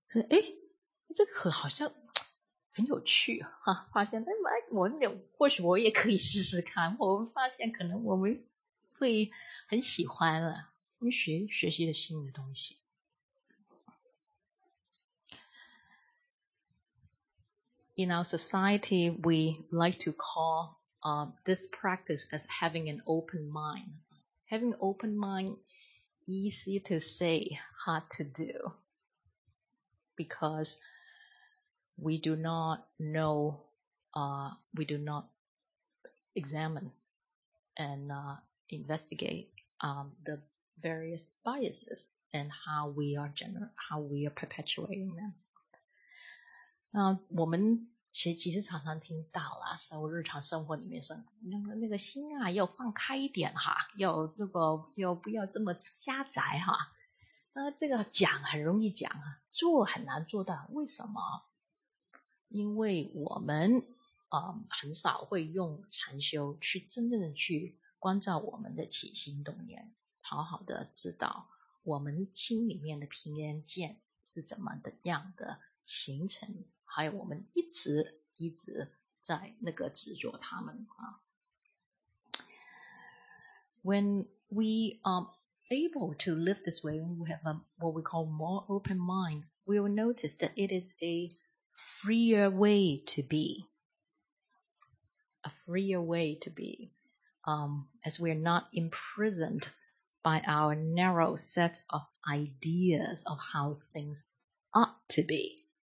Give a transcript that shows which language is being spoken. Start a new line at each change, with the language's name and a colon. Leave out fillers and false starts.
Chinese: 哎，这个好像很有趣哈，发现哎，我有或许我也可以试试看。我们发现可能我们会很喜欢了，你学习了新的东西。
English: In our society, we like to call this practice as having an open mind. Having open mind, easy to say, hard to do. Because we do not know, we do not examine and investigate the various biases and how we are perpetuating them.
Chinese: 那我们其实常常听到啦，在日常生活里面说，那个心啊要放开一点哈，要那个要不要这么狭窄哈。这个讲很容易讲，做很难做到。为什么？因为我们很少会用禅修去真正的去关照我们的起心动念，好好的知道我们心里面的偏见是怎么的样的形成，还有我们一直在那个执着他们啊。
English: When able to live this way, we have what we call more open mind. We will notice that it is a freer way to be. A freer way to be. As we are not imprisoned by our narrow set of ideas of how things ought to be.